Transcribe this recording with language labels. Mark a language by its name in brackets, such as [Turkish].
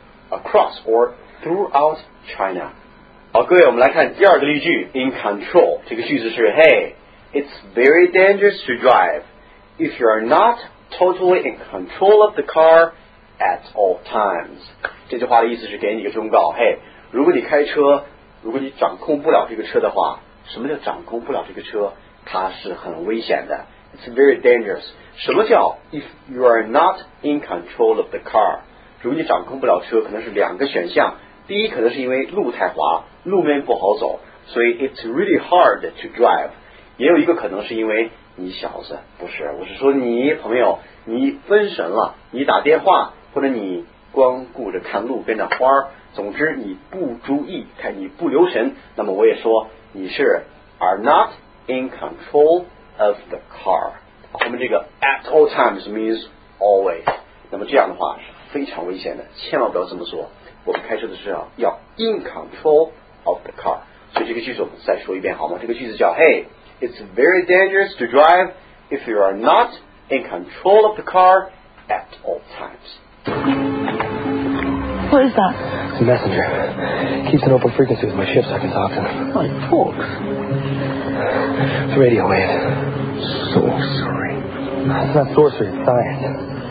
[English] across or throughout China [Chinese] 好各位我们来看第二个例句 [English] in control [Chinese] 这个句子是 [English] Hey it's very dangerous to drive if you are notTotally in control of the car at all times. [Chinese] 这句话的意思是给你一个忠告，嘿，如果你开车，如果你掌控不了这个车的话，什么叫掌控不了这个车？它是很危险的。 [English] It's very dangerous. [Chinese] 什么叫 [English] if you are not in control of the car? [Chinese] 如果你掌控不了车，可能是两个选项。第一，可能是因为路太滑，路面不好走，所以 [English] it's really hard to drive. [Chinese] 也有一个可能是因为你小子不是我是说你朋友你分神了你打电话或者你光顾着看路边的花总之你不注意看你不留神那么我也说你是 [English] are not in control of the car [Chinese] 后面这个 [English] at all times means always [Chinese] 那么这样的话是非常危险的千万不要这么说我们开车的时候要 [English] in control of the car [Chinese] 所以这个句子我们再说一遍好吗这个句子叫 [English] Hey It's very dangerous to drive if you are not in control of the car at all times. What is that? It's messenger. Keeps an open frequency with my ship so I can talk to him. My folks. It's radio waves. Sorcery. It's not sorcery, it's science.